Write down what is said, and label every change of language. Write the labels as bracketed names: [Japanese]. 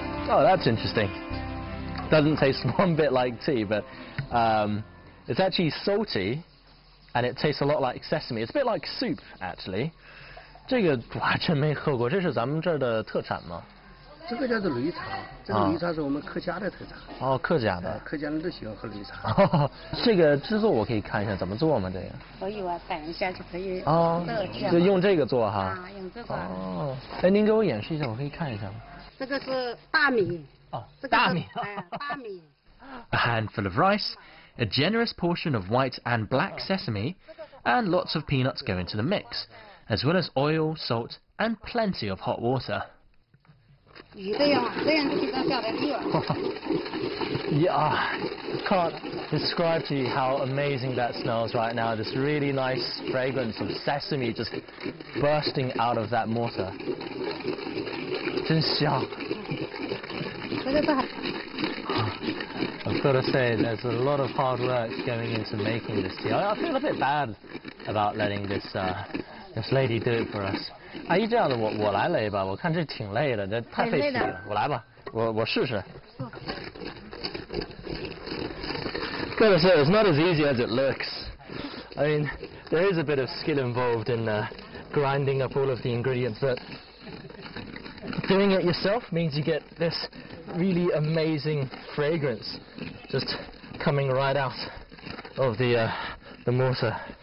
[English] Oh, that's interesting. Doesn't taste one bit like tea, but it's actually salty, and it tastes a lot like sesame. It's a bit like soup, actually. [Chinese] 这个完全没喝过，这是咱们这儿的特产吗？这个叫做擂茶，这个擂茶是我们客家的特产。哦，客家的。客家人都喜欢喝擂茶。这个制作我可以看一下怎么做吗？这个。可以啊，等一下就可以乐见。哦，就用这个做哈。啊，用这个。哦，哎，您给我演示一下，我可以看一下吗？这个是大米。哦，这个、大米。大米。 [English] A handful of rice, a generous portion of white and black sesame, and lots of peanuts go into the mix, as well as oil, salt, and plenty of hot water. [Chinese] 这样就可以让下来热。 [English] Yeah, I can't describe to you how amazing that smells right now. This really nice fragrance of sesame just bursting out of that mortar. [Chinese] 真香！ [English] I've got to say, there's a lot of hard work going into making this tea. I feel a bit bad about letting this this lady do it for us. [Chinese] 阿姨，这样的我来擂吧，我看这挺累的，这太费体力了。我来吧，我试试。 [English] Gotta say, it's not as easy as it looks. I mean, there is a bit of skill involved in grinding up all of the ingredients, but. Doing it yourself means you get this really amazing fragrance just coming right out of the mortar.